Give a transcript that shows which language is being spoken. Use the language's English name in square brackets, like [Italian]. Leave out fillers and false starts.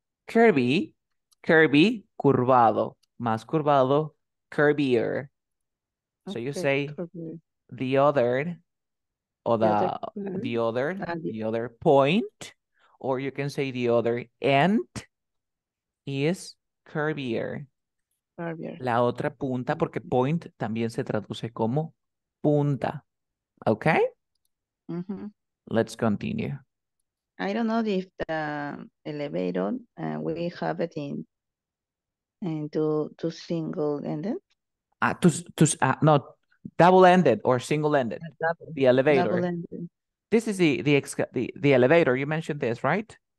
[English] Curvy, curvy, [Spanish] curvado, más curvado, [English] curvier. So okay, you say curvier. The other. Or the other point, or you can say the other end is curvier. Curvier. [Spanish] La otra punta, porque point también se traduce como punta. [English] Okay? Mm-hmm. Let's continue. I don't know if the elevator, we have it in two single ended. Double ended or single ended. The elevator. Double ended. This is the elevator. You mentioned this, right?